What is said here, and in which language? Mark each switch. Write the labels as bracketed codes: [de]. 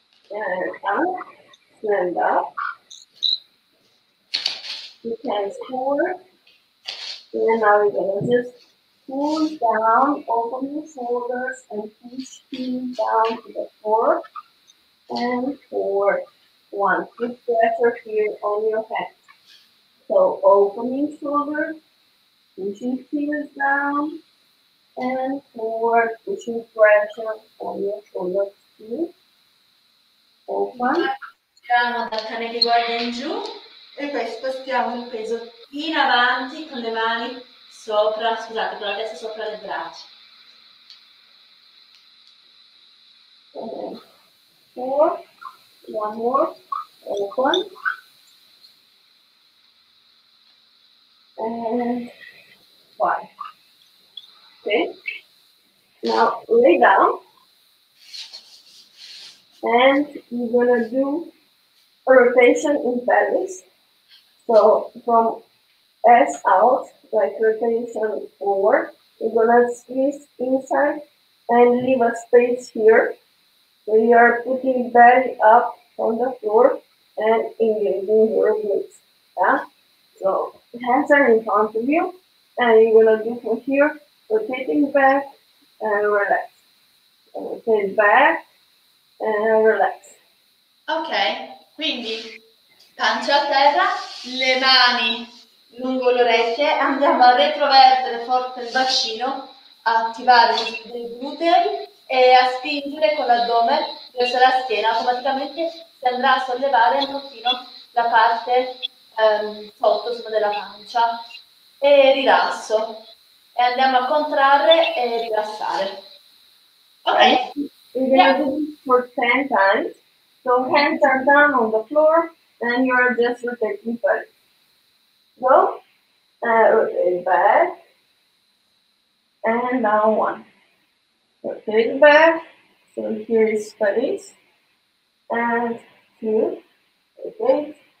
[en] And up, stand up, put hands forward, and now we're going to just pull down, open your shoulders, and push feet down to the floor, and forward, one, put pressure here on your head, so opening shoulder, pushing feet down, and forward, pushing pressure on your shoulders too. [it] Siamo dal cane che guarda in giù e poi spostiamo il peso in avanti con le mani sopra, scusate, con la testa sopra le braccia. [en] Four, one more, open. And five. Okay. Now lay down. And you're gonna do a rotation in pelvis. So from S out, like rotation forward, you're gonna squeeze inside and leave a space here. So you are putting belly up on the floor and engaging your glutes. Yeah? So hands are in front of you. And you're gonna do from here, rotating back and relax. Rotate back. And relax. [it] Ok, quindi pancia a terra, le mani lungo le orecchie, andiamo a retrovertere forte il bacino, a attivare i glutei e a spingere con l'addome verso la schiena, automaticamente si andrà a sollevare un pochino la parte sotto della pancia e rilasso e andiamo a contrarre e rilassare. [en] Ok. For 10 times. So hands are down on the floor and you are just rotating back. Go and rotate back and now one. Rotate back. So here is space. And two. Rotate.